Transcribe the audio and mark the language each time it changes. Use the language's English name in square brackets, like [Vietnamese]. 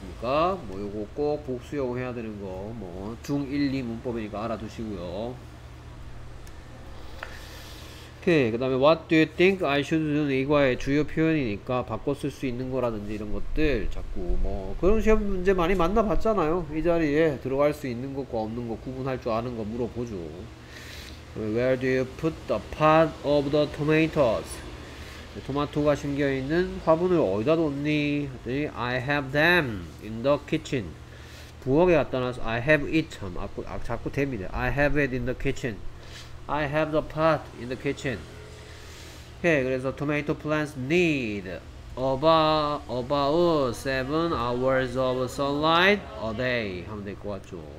[Korean] 뭐 요거 꼭 복수형 해야 되는 거 뭐 중 1, 2 문법이니까 알아두시고요. 오케이. 그 다음에 [English] What do you think I should do? [Korean] 이과의 주요 표현이니까 바꿔 쓸 수 있는 거라든지 이런 것들 자꾸 뭐 그런 시험 문제 많이 만나봤잖아요. 이 자리에 들어갈 수 있는 것과 없는 거 구분할 줄 아는 거 물어보죠. [English] Where do you put the pot of the tomatoes? [Korean] 토마토가 심겨있는 화분을 어디다 뒀니? 하더니 [English] I have them in the kitchen. [Korean] 부엌에 갖다 놔서 [English] I have it. [Korean] 자꾸 됩니다. [English] I have it in the kitchen. I have the pot in the kitchen. [Korean] 오케이. 그래서 [English] tomato plants need about 7 hours of sunlight a day [Korean] 하면 될 것 같죠.